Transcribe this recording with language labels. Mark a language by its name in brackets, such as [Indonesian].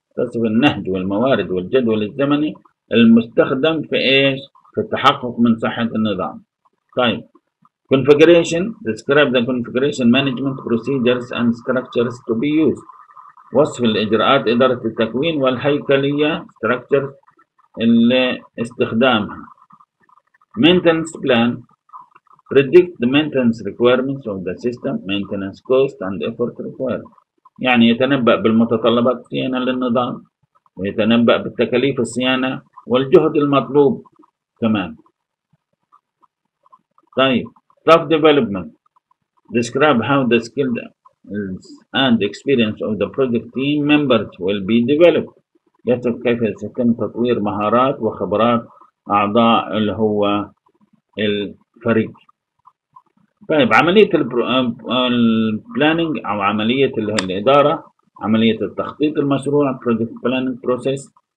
[Arabic] تصف النهج والموارد والجدول الزمني المستخدم في ايش؟ في التحقق من صحة النظام. [English] طيب configuration. Describe the configuration management procedures and structures to be used. [Arabic] وصف الإجراءات إدارة التكوين والهيكلية structures اللي استخدامها. [English] Maintenance plan. Predict the maintenance requirements of the system, maintenance cost and effort required. [Arabic] يعني يتنبأ بالمتطلبات الصيانة للنظام، ويتنبأ بالتكاليف الصيانة والجهد المطلوب كمان. [English] طيب staff development. Describe how the skills and experience of the project team members will be developed. [Arabic] يصف كيف سيتم تطوير مهارات وخبرات أعضاء اللي هو الفريق. طيب عملية البلانينج أو عملية الإدارة، عملية التخطيط المشروع project planning process.